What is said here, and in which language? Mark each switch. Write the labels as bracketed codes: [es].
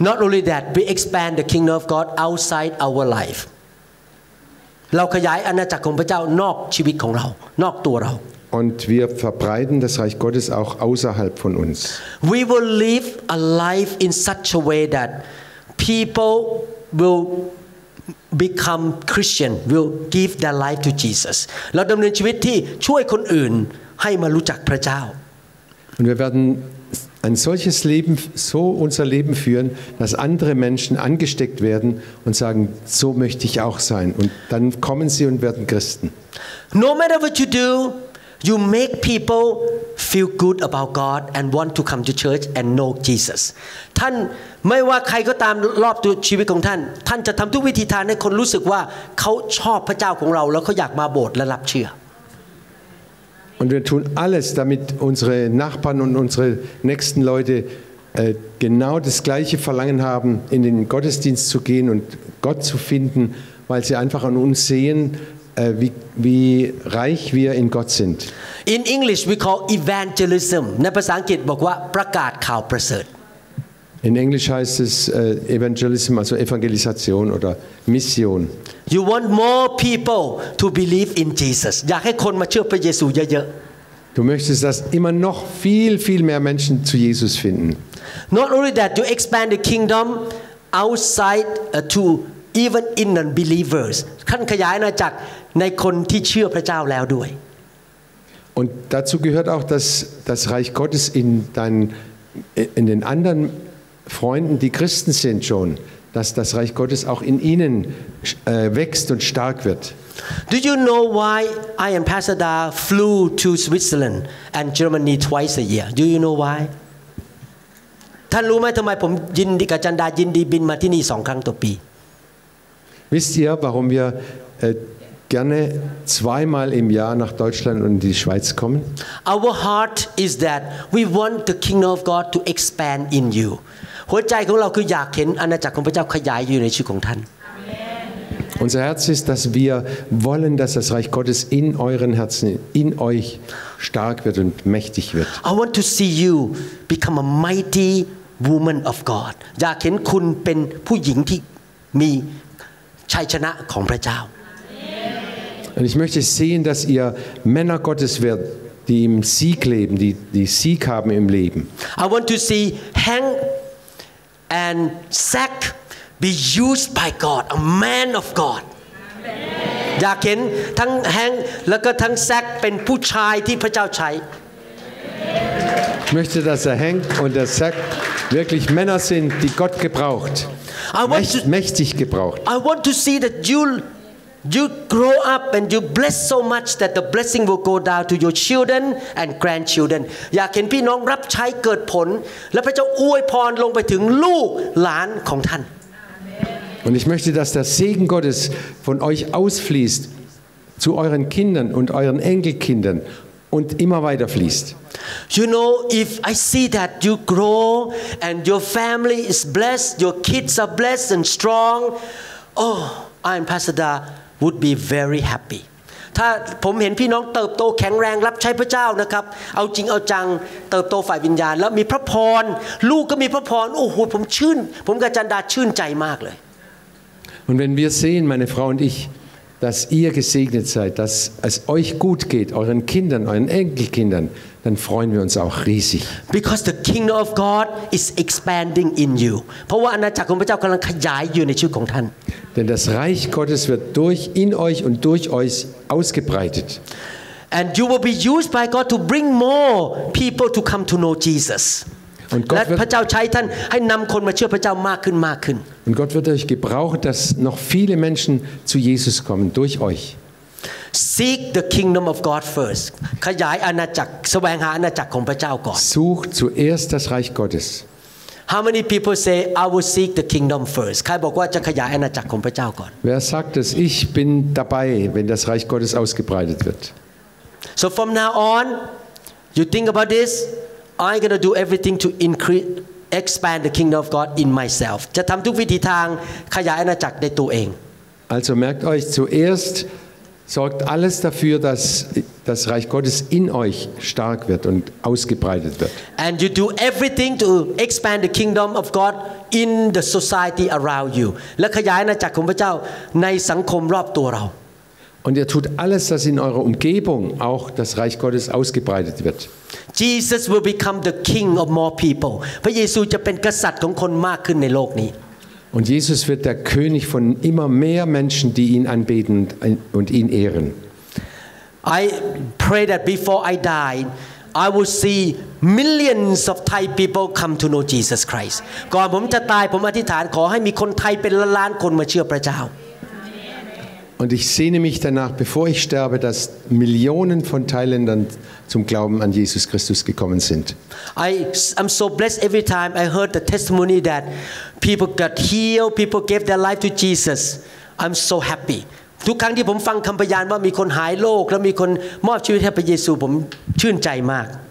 [en] Not only that, we expand the kingdom of God outside our life. [th] เราขยายอาณาจักรของพระเจ้านอกชีวิตของเรานอกตัวเรา [de] Und wir verbreiten das Reich Gottes auch außerhalb von uns. [en] We will live a life in such a way thatPeople will become Christian, will give their life to Jesus. [th] เราดำเนินชีวิตที่ช่วยคนอื่นให้มารู้จักพระเจ้า [de] Und wir werden ein solches Leben, so unser Leben führen, dass andere Menschen angesteckt werden und sagen, so möchte ich auch sein. Und dann kommen sie und werden Christen. [en] No matter what you do, you make people feel good about God and want to come to church and know Jesus. [th] ท่านไม่ว่าใครก็ตามรอบตัวชีวิตของท่านท่านจะทำทุกวิธีทางให้คนรู้สึกว่าเขาชอบพระเจ้าของเราแล้วเขาอยากมาโบสถ์และรับเชื่อ [de] Und wir tun alles damit unsere Nachbarn und unsere nächsten Leute genau das gleiche Verlangen haben in den Gottesdienst zu gehen und Gott zu finden weil sie einfach an uns sehen wie reich wir in Gott sind [en] In English we call evangelism [th] ในภาษาอังกฤษบอกว่าประกาศข่าวประเสริฐ [de] In English heißt es Evangelism, also Evangelisation oder Mission. [en] You want more people to believe in Jesus. [th] อยากให้คนมาเชื่อพระเยซูเยอะ [de] ๆ Du möchtest, dass immer noch viel mehr Menschen zu Jesus finden. [en] Not only that, you expand the kingdom outside to even in unbelievers [th] ท่านขยายอาณาจักรในคนที่เชื่อพระเจ้าแล้วด้วย [de] und dazu gehört auch dass das Reich Gottes in dann in den anderen Freunden die Christen sind schon dass das Reich Gottes auch in ihnen wächst und stark wird [en] Do you know why I and Pastor Da flew to Switzerland and Germany twice a year Do you know why [th] ท่านรู้ไหมทำไมผมยินดีกับจันดายินดีบินมาที่นี่สองครั้งต่อปี [de] Wisst ihr warum wir gerne zweimal im Jahr nach Deutschland und die Schweiz kommen [en] Our heart is that we want the kingdom of God to expand in you [th] หัวใจของเราคืออยากเห็นอาณาจักรของพระเจ้าขยายอยู่ในชีวิตของท่าน [de] Unser Herz ist dass wir wollen dass das Reich Gottes in euren Herzen in euch stark wird und mächtig wird [en] I want to see you become a mightywoman of god [th] อยากเห็นคุณเป็นผู้หญิงที่มีชัยชนะของพระเจ้า [de] Und ich möchte sehen dass ihr Männer Gottes werdet die im Sieg leben die Sieg haben im Leben [en] I want to see Hank and Zach be used by god a man of god [th] อยากเห็นทั้ง Hank แล้วก็ทั้ง Zach เป็นผู้ชายที่พระเจ้าใช้ [de] Ich möchte, dass der Hank und der Zach wirklich Männer sind, die Gott gebraucht, mächtig gebraucht. [en] I want to see that you grow up and you bless so much that the blessing will go down to your children and grandchildren. [th] อยากเห็นพี่น้องรับใช้เกิดผลและพระเจ้าอวยพรลงไปถึงลูกหลานของท่าน [de] Und ich möchte, dass der Segen Gottes von euch ausfließt zu euren Kindern und euren Enkelkindern. Und immer weiter fließt. [en] You know, if I see that you grow and your family is blessed, your kids are blessed and strong, oh, I and Pastor Da would be very happy. [th] ถ้าผมเห็นพี่น้องเติบโตแข็งแรงรับใช้พระเจ้านะครับเอาจริงเอาจังเติบโตฝ่ายวิญญาณแล้วมีพระพรลูกก็มีพระพรโอ้โหผมชื่นผมกับจันดาชื่นใจมากเลย [de] Und wenn wir sehen, meine Frau und ich,dass ihr gesegnet seid, dass es euch gut geht, euren Kindern, euren Enkelkindern, dann freuen wir uns auch riesig. [en] Because the kingdom of God is expanding in you. [th] เพราะว่าอาณาจักรของพระเจ้ากำลังขยายอยู่ในชีวิตของท่าน [de] Denn das Reich Gottes wird durch in euch und durch euch ausgebreitet. [en] And you will be used by God to bring more people to come to know Jesus. [de] Und Gott [th] และพระเจ้าใช้ท่านให้นำคนมาเชื่อพระเจ้ามากขึ้นมากขึ้น [de] Und Gott wird euch gebrauchen, dass noch viele Menschen zu Jesus kommen durch euch. [en] Seek the kingdom of God first. [th] ขยายอาณาจักรแสวงหาอาณาจักรของพระเจ้าก่อน [de] Such zuerst das Reich Gottes. [en] How many people say I will seek the kingdom first? [th] ใครบอกว่าจะขยายอาณาจักรของพระเจ้าก่อน [de] Wer sagt es? Ich bin dabei, wenn das Reich Gottes ausgebreitet wird. [en] So from now on, you think about this. I'm going to do everything to increaseExpand the kingdom of God in myself. [th] จะทำทุกวิธีทางขยายอาณาจักรในตัวเอง [de] Also merkt euch zuerst, sorgt alles dafür, dass das Reich Gottes in euch stark wird und ausgebreitet wird. [en] And you do everything to expand the kingdom of God in the society around you. [th] และขยายอาณาจักรของพระเจ้าในสังคมรอบตัวเรา [de] Und ihr tut alles, dass in eurer Umgebung auch das Reich Gottes ausgebreitet wird. [en] Jesus will become the king of more people. [th] พระเยซูจะเป็นกษัตริย์ของคนมากขึ้นในโลกนี้ [de] Und Jesus wird der König von immer mehr Menschen, die ihn anbeten und ihn ehren. [en] I pray that before I die, I will see millions of Thai people come to know Jesus Christ. [th] ก่อนผมจะตายผมอธิษฐานขอให้มีคนไทยเป็นล้านๆคนมาเชื่อพระเจ้า [de] Und ich sehne mich danach, bevor ich sterbe, dass Millionen von Thailändern zum Glauben an Jesus Christus gekommen sind. [en] I'm so blessed every time I heard the testimony that people got healed, people gave their life to Jesus. I'm so happy. [th] ทุกครั้งที่ผมฟังคำพยานว่ามีคนหายโรคและมีคนมอบชีวิตให้พระเยซูผมชื่นใจมาก